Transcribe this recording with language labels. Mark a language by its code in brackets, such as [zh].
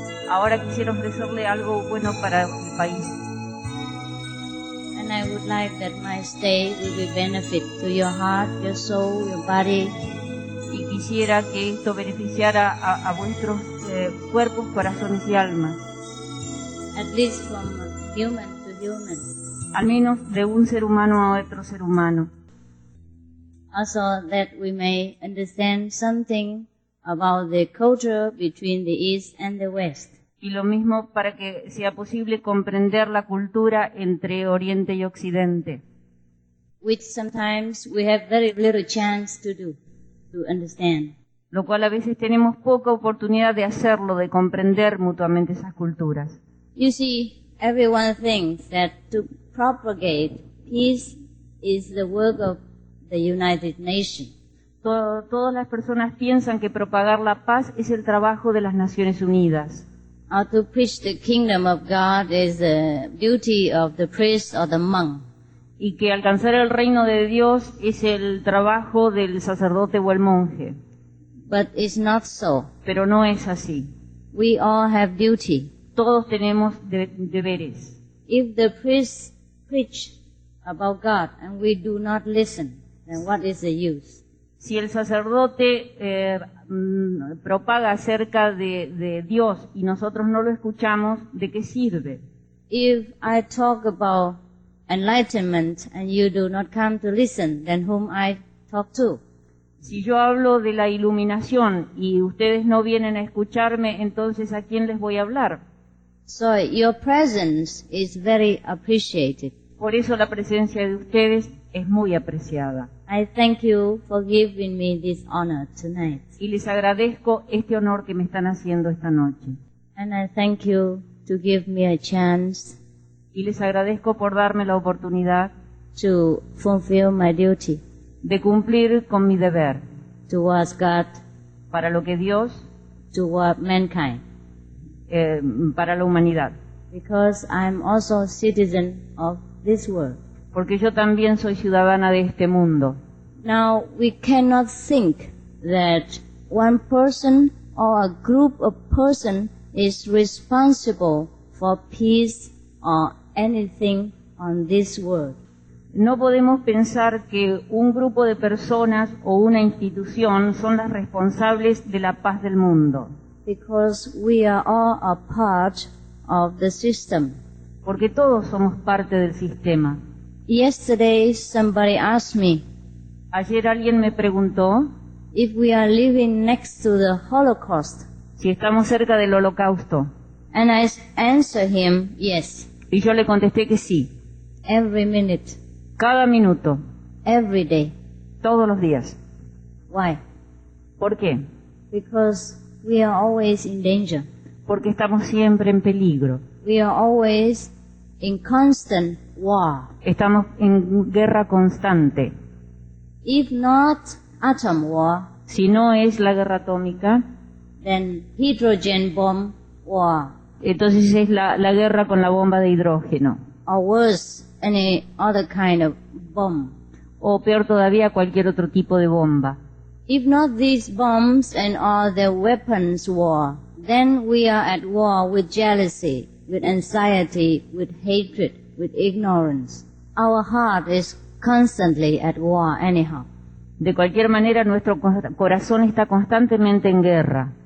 [es] Ahora quisiera ofrecerle algo bueno para el país. [en] And I would like that my stay will be benefit to your heart, your soul, your body. [es] Y quisiera que esto beneficiara a vuestros cuerpos, corazones y almas. [en] At least from human to human. [es] Al menos de un ser humano a otro ser humano. [en] Also that we may understand something about the culture between the East and the West. [es] Y lo mismo para que sea posible comprender la cultura entre Oriente y Occidente. [en] Which sometimes we have very little chance to do, to understand. [es] Lo cual a veces tenemos poca oportunidad de hacerlo, de comprender mutuamente esas culturas. [en] You see, everyone thinks that to propagate peace is the work of the United Nations. [es] Todas las personas piensan que propagar la paz es el trabajo de las Naciones Unidas. [en] To preach the kingdom of God is the duty of the priest or the monk. [es] Y que alcanzar el reino de Dios es el trabajo del sacerdote o el monje. [en] But it's not so. [es] Pero no es así. [en] We all have duty. [es] Todos tenemos deberes. [en] If the priest preach about God and we do not listen, then what is the use? [es] Si el sacerdote propaga acerca de Dios y nosotros no lo escuchamos, ¿de qué sirve? [en] If I talk about enlightenment and you do not come to listen, then whom I talk to? [es] Si yo hablo de la iluminación y ustedes no vienen a escucharme, entonces ¿a quién les voy a hablar? [en] So your presence is very appreciated. [es] Por eso la presencia de ustedes es muy apreciada. [en] I thank you for giving me this honor tonight. [es] Y les agradezco este honor que me están haciendo esta noche. [en] And I thank you to give me a chance. [es] Y les agradezco por darme la oportunidad [en] to fulfill my duty. [es] De cumplir con mi deber. [en] Towards God. [es] Para lo que Dios. [en] Toward mankind. [es] Para la humanidad. [en] Because I'm also a citizen of this world. [es] Porque yo también soy ciudadana de este mundo. [en] Now, we cannot think that one person or a group of persons is responsible for peace or anything on this world. [es] No podemos pensar que un grupo de personas o una institución son las responsables de la paz del mundo. [en] Because we are all a part of the system. [es] Porque todos somos parte del sistema. [en] Yesterday somebody asked me. [es] Ayer alguien me preguntó. [en] If we are living next to the Holocaust. [es] Si estamos cerca del Holocausto. [en] And I answered him yes. [es] Y yo le contesté que sí. [en] Every minute. [es] Cada minuto. [en] Every day. [es] Todos los días. [en] Why? [es] ¿Por qué? [en] Because we are always in danger. [es] Porque estamos siempre en peligro. [en] We are always in constant war. [es] Estamos en guerra constante. [en] If not atom war, [es] si no es la guerra atómica, [en] then hydrogen bomb war. [es] Entonces es la guerra con la bomba de hidrógeno. [en] Or worse, any other kind of bomb. [es] O peor todavía, cualquier otro tipo de bomba. [en] If not these bombs and all the weapons war, then we are at war with jealousy, with anxiety, with hatred, with ignorance. Our heart is constantly at war anyhow. [es] De cualquier manera, nuestro corazón está constantemente en guerra.